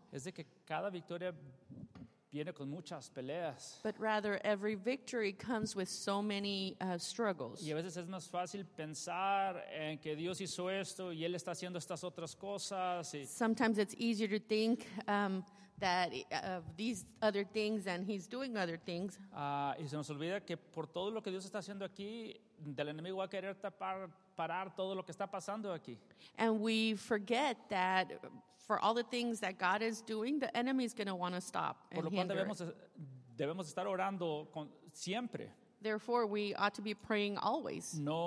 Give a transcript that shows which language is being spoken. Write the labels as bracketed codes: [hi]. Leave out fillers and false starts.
[es] Es de que cada victoria viene con muchas peleas. [en] But rather every victory comes with so many struggles. [es] Y a veces es más fácil pensar en que Dios hizo esto y él está haciendo estas otras cosas. Y [en] sometimes it's easier to think that these other things and he's doing other things. [es] Y se nos olvida que por todo lo que Dios está haciendo aquí, del enemigo va a querer tapar parar todo lo que está pasando aquí. [en] And we forget that for all the things that God is doing, the enemy is going to want to stop and hinder. [es] Por lo cual debemos estar orando con siempre. [en] Therefore, we ought to be praying always.